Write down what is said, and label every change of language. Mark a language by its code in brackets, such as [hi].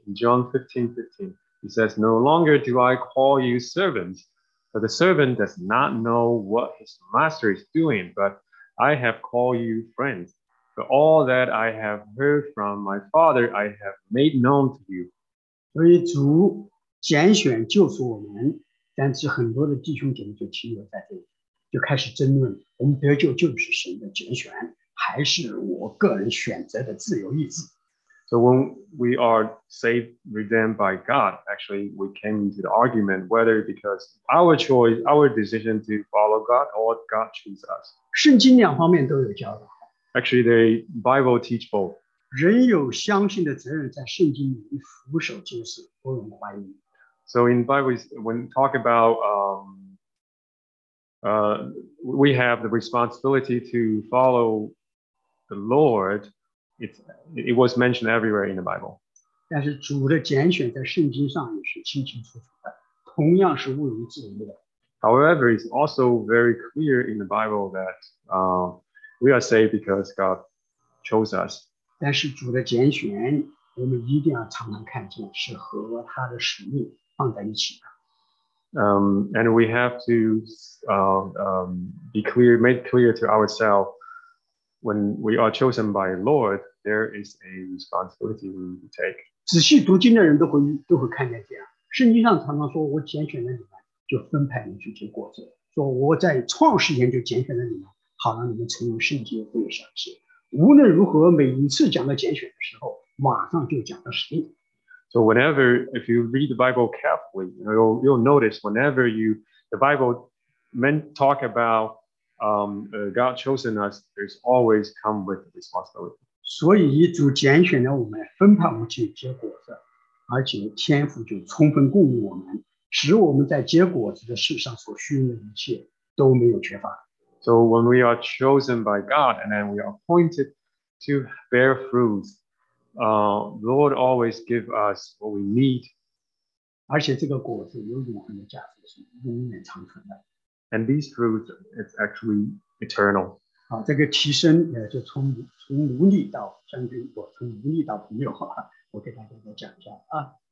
[en] In John 15:15, he says, No longer do I call you servants, but the servant does not know what his master is doing, but I have called you friends. For all that I have heard from my Father, I have made known to you. [zh] 所以主拣选救赎我们，但是很多的弟兄姐妹就停留在这里，就开始争论，我们得救就是神的拣选。还是我个人选择的自由意志。 [en] So when we are saved, redeemed by God, actually we came into the argument whether because our choice, our decision to follow God or God choose us. [zh] 圣经两方面都有教导。 [en] Actually, the Bible teach both. [zh] 人有相信的责任，在圣经里俯首就是不容怀疑。 [en] So in Bible, when talk about we have the responsibility to follow. The Lord, it was mentioned everywhere in the Bible. [zh] 但是主的拣选在圣经上也是清清楚楚的，同样是毋庸置疑的。 [en] However, it's also very clear in the Bible that we are saved because God chose us. [zh] 但是主的拣选，我们一定要常常看见，是和他的使命放在一起的。 [en] And we have to make clear to ourselves. When we are chosen by the Lord, there is a responsibility we take. [zh] 仔细读经的人都会看见这样。圣经上常常说，我拣选了你们，就分派你们去结果子。说我在创世前就拣选了你们，好让你们成为圣洁，得以赏赐。无论如何，每一次讲到拣选的时候，马上就讲到使命。 [en] So whenever, if you read the Bible carefully, you'll notice whenever the Bible meant talk about God chosen us, there's always come with responsibility. [zh] 所以主拣选了我们，分派我们去结果子，而且天父就充分供应我们，使我们在结果子的事上所需用的一切都没有缺乏。 [en] So when we are chosen by God and then we are appointed to bear fruits, Lord always gives us what we need. [zh] 而且这个果子有永恒的价值，是永远长存的。 [en] And these fruits is actually eternal. [zh] 好，这个提升也就从奴隶到将军，我从奴隶到朋友，我给大家再讲一下啊。